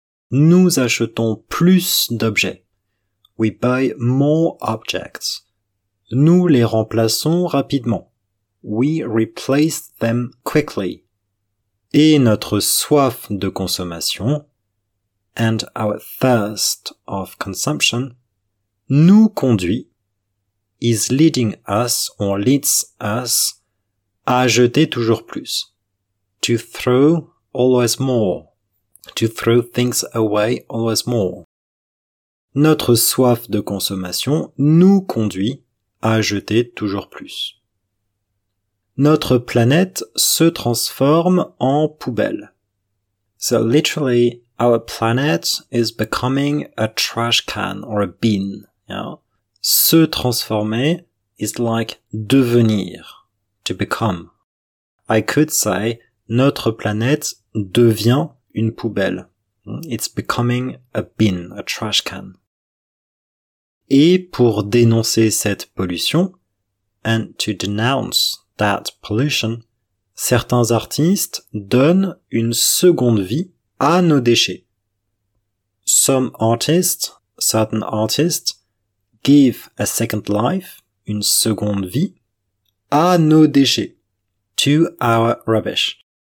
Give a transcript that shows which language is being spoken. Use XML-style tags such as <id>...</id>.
<fr>Nous achetons plus d'objets.</fr> <en>We buy more objects.</en> <fr>Nous les remplaçons rapidement.</fr> <en>We replace them quickly.</en> <fr>Et notre soif de consommation,</fr> <en>and our thirst of consumption,</en> <fr>nous conduit,</fr> <en>is leading us or leads us,</en> <fr>à jeter toujours plus.</fr> <en>To throw always more. To throw things away always more.</en> <fr>Notre soif de consommation nous conduit à jeter toujours plus. Notre planète se transforme en poubelle.</fr> <en>So literally, our planet is becoming a trash can or a bin. Yeah? Se transformer is like devenir, to become. I could say,</en> <fr>notre planète devient une poubelle.</fr> <en>It's becoming a bin, a trash can.</en> <fr>Et pour dénoncer cette pollution,</fr> <en>and to denounce that pollution,</en> <fr>certains artistes donnent une seconde vie à nos déchets.</fr> <en>Some artists, certain artists, give a second life,</en> <fr>une seconde vie, à nos déchets,</fr> <en>to our rubbish.</en>